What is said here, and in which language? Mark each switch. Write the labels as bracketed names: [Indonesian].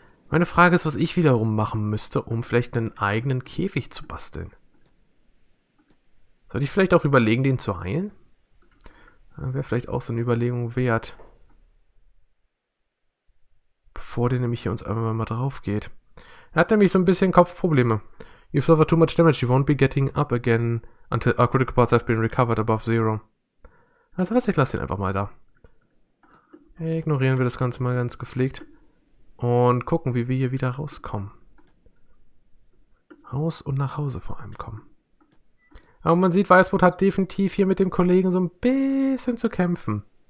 [German] Meine Frage ist, was ich wiederum machen müsste, um vielleicht einen eigenen Käfig zu basteln. Sollte ich vielleicht auch überlegen, den zu heilen? Wäre vielleicht auch so eine Überlegung wert. Bevor der nämlich hier uns einmal mal drauf geht. Er hat nämlich so ein bisschen Kopfprobleme. [English] You've suffered too much damage. You won't be getting up again until our critical parts have been recovered above zero. [German] Also was, ich lasse den einfach mal da. Ignorieren wir das Ganze mal ganz gepflegt. Und gucken, wie wir hier wieder rauskommen. Raus und nach Hause vor allem kommen. Aber man sieht, Weißbrot hat definitiv hier mit dem Kollegen so ein bisschen zu kämpfen.